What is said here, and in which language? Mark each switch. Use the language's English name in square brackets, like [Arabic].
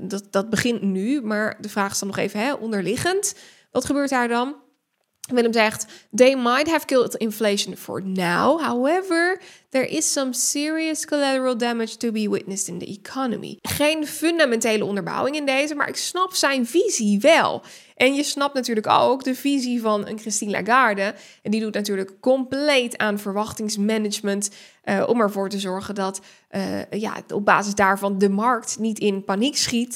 [Dutch] Dat begint nu, maar de vraag is dan nog even onderliggend. Wat gebeurt daar dan? Willem zegt, [English] they might have killed inflation for now. However, there is some serious collateral damage to be witnessed in the economy. [Dutch] Geen fundamentele onderbouwing in deze, maar ik snap zijn visie wel. En je snapt natuurlijk ook de visie van een Christine Lagarde. En die doet natuurlijk compleet aan verwachtingsmanagement. Om ervoor te zorgen dat op basis daarvan de markt niet in paniek schiet.